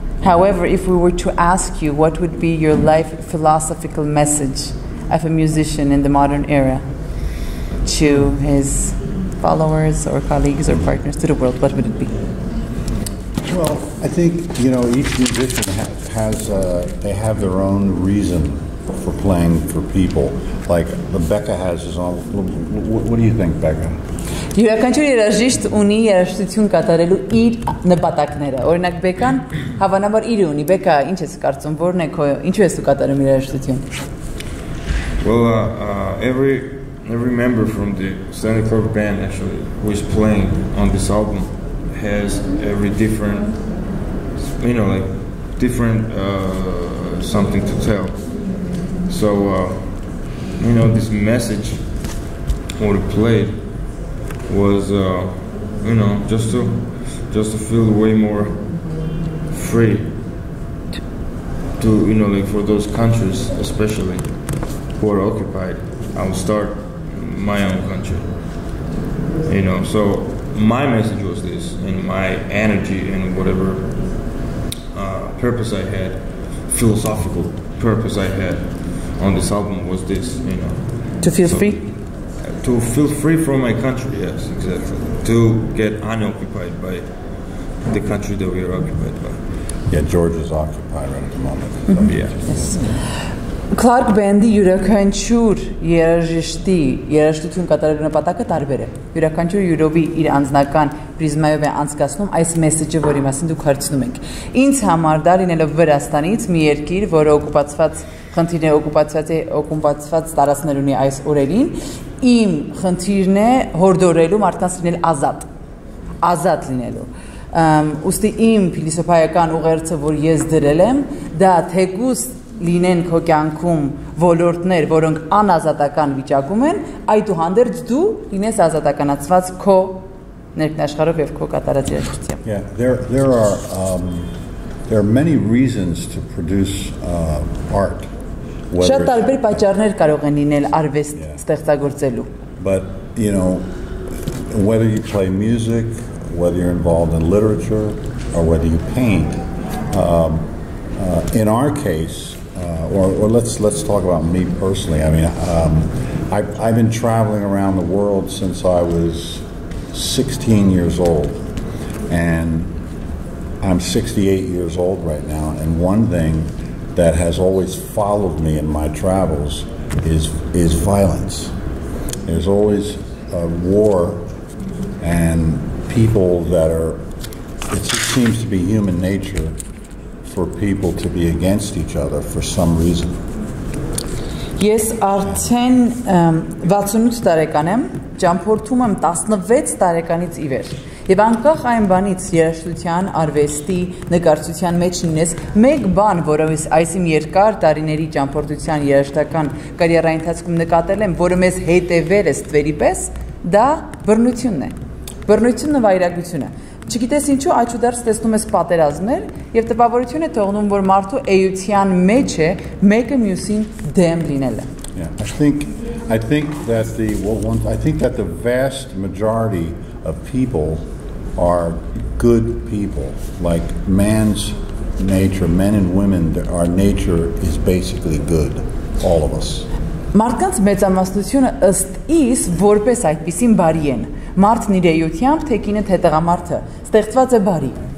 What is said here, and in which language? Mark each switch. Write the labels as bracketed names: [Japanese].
[English] However, if we were to ask you what would be your life philosophical message of a musician in the modern era to his followers or colleagues or partners to the world, what would it be? Well, I think, you know, each musician they have their own reason for playing for people. Like, Becca has his own, what do you think, Becca? [Armenian] Յուրաքանչյուր երաժիշտ ունի երաժշտություն կատարելու իր նպատակները։ Օրինակ Բեկան հավանաբար իր ունի։ Բեկա, ինչ ես կարծում, որն է քո, ինչու ես ու կատարում երաժշտություն։ [English] Well, every member from the Stanley Clark band actually who is playing on this album has every different, you know, like different something to tell. So, you know, this message or the play was you know just to feel way more free to you know like for those countries especially who are occupied I'll start my own country you know so my message was this and my energy and whatever purpose I had philosophical purpose I had on this album was this you know to feel so, free To feel free from my country, yes, exactly. To get unoccupied by the country that we are occupied by. Yeah, Georgia's occupied right at the moment. Mm-hmm. Yeah. Yes. [Armenian] Clark Band-ի յուրաքանչյուր երաժշտի երաժշտություն կատարելու նպատակը տարբեր է։ Յուրաքանչյուր յուրովի իր անձնական պրիզմայով է անցկացնում այս մեսեջը, որի մասին դուք հարցնում եք։ Ինձ համար դա լինելով Վրաստանից մի երկիր, որը օկուպացված խնդիրն է, օկուպացված տարածքներ ունի այս օրերին, իմ խնդիրն է հորդորելու մարդկանց լինել ազատ լինելու։ Ուստի իմ փիլիսոփայական ուղերձը, որ ես դրել եմ, դա թեկուզ լինեն քո կյանքում ոլորտներ, որոնք անազատական վիճակում են, այդուհանդերձ դու լինես ազատականացված քո ներքնաշխարհով եւ քո կատարած երաժշտությամբ։ [English] Yeah, there are many reasons to produce art. [Armenian] Շատ տարբեր պատճառներ կարող են լինել արվեստ ստեղծագործելու։ [English] But you know, whether you play music, whether you're involved in literature, or whether you paint, in our case, or let's talk about me personally. I mean, I've been traveling around the world since I was 16 years old, and I'm 68 years old right now. And one thing that has always followed me in my travels is violence. There's always a war, and people that are. It just seems to be human nature. For people to be against each other for some reason. [Armenian] Ես արդեն 68 տարեկան եմ, ճամփորդում եմ 16 տարեկանից ի վեր։ Եվ անկախ այն բանից, երաժշտության, արվեստի, նկարչության մեջ ունես, մեկ բան, որը այս իմ երկար տարիների ճամփորդության երաժշտական կարիերայի ընթացքում նկատել եմ, որը մեզ հետևել է ստվերի պես, դա բռնությունն է։ Բռնությունն ու վայրագությունը։ Չգիտես ինչու աչու դարձ տեսնում ես պատերազմներ եւ տպավորություն է թողնում որ մարդու էության մեջ է մեկը մյուսին դեմ լինելը [English] I think that the vast majority of people are good people like man's nature men and women our nature is basically good all of us [Armenian] Մարդկանց մեծամասնությունը ըստ իս որպես այդպեսին բարի են Մարդն իր էությամբ թե կինը թե տղամարդը ստեղծված է բարի։